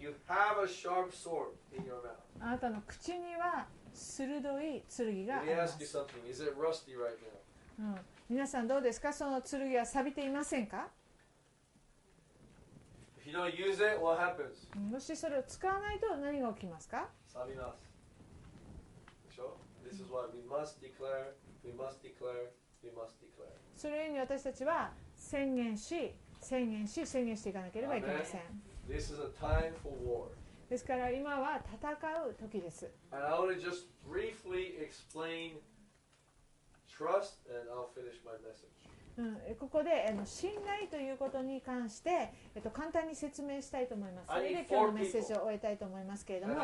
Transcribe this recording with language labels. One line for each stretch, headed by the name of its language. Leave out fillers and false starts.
English: You have a sharp sword in your mouth.
Japanese: あなたの口には鋭い剣があります。
English: Let me ask you something. Is it rusty right now?
Japanese: 皆さんどうですか、その剣は錆びていませんか。
English: If you don't use it, what happens?
Japanese: もしそれを使わないと何が起きますか。錆びます。でしょ。
English: This is why we must declare, we must declare, we must declare.
Japanese: それに私たちは宣言し、宣言し、宣言していかなければいけません。
English: This is a time for war.
Japanese: ですから今は戦う時です。
English: And I want to just briefly explain trust, and I'll finish my message.
Japanese: ここで信頼ということに関して、簡単に説明したいと思います。それで今日のメッセージを終えたいと思いますけれども、